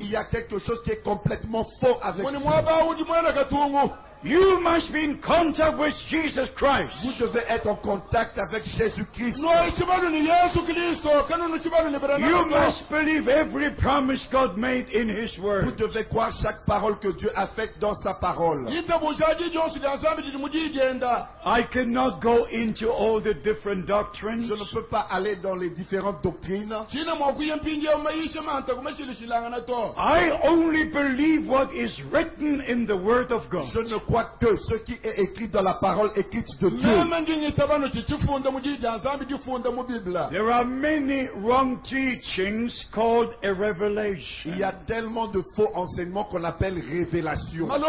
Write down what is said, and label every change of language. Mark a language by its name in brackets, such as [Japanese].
[French] Il y a quelque chose qui est complètement faux avec vous. [English] You must be in contact with Jesus Christ. [French] Vous devez être en contact avec Jésus Christ. [English] You must believe every promise God made in His Word. [French] Vous devez croire chaque parole que Dieu a faite dans sa parole. [English] I cannot go into all the different doctrines. [French] Je ne peux pas aller dans les différentes doctrines. [English] I only believe what is written in the Word of God. [French] Que ce qui est écrit dans la parole écrite de Dieu. [English] There are many wrong teachings called a revelation. [French] Il y a tellement de faux enseignements qu'on appelle révélation.